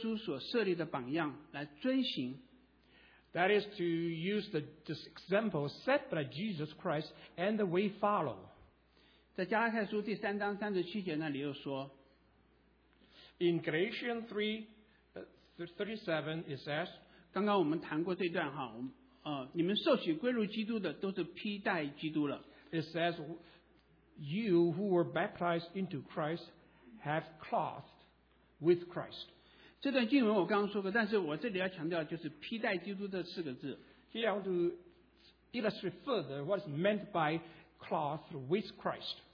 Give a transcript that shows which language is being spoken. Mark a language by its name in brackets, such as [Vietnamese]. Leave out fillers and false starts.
[Chinese] 那就是用基督耶稣所设立的榜样来遵行。 [English] That is to use this example set by Jesus Christ and the way follow. [Chinese] 在加拉太书第3章37节那里又说， [English] In Galatians 3:37 it says, [Chinese] 刚刚我们谈过这段哈，你们受洗归入基督的都是披戴基督了。 [English] It says, you who were baptized into Christ have clothed with Christ. [Chinese] 这段经文我刚刚说过，但是我这里要强调就是披戴基督这四个字。 [English] Here I want to illustrate further what is meant by clothed with Christ.